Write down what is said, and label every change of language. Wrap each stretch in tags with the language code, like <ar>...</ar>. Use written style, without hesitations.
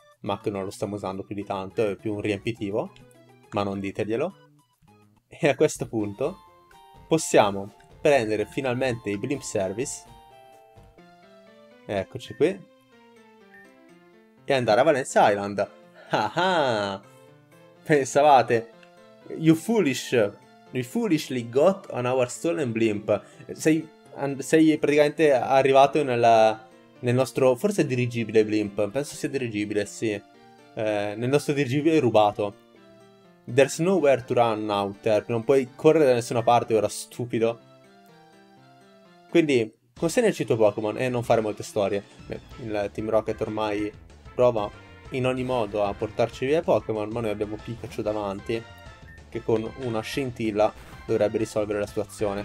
<it>Mach non lo stiamo usando più di tanto, è più un riempitivo, ma non diteglielo. E a questo punto possiamo prendere finalmente i Blimp Service, eccoci qui, e andare a Valencia Island.</it> <en>Ah ah,</en> <it>pensavate,</it> <en>you foolish, we foolishly got on our stolen Blimp.</en> <it>Sei praticamente arrivato nel nostro, forse è dirigibile Blimp, penso sia dirigibile, sì. Nel nostro dirigibile rubato.</it> <en>There's nowhere to run out there.</en> <it>Non puoi correre da nessuna parte ora, stupido. Quindi, consegnaci il tuo Pokémon e non fare molte storie. Il Team Rocket ormai prova in ogni modo a portarci via i Pokémon, ma noi abbiamo Pikachu davanti, che con una scintilla dovrebbe risolvere la situazione.</it>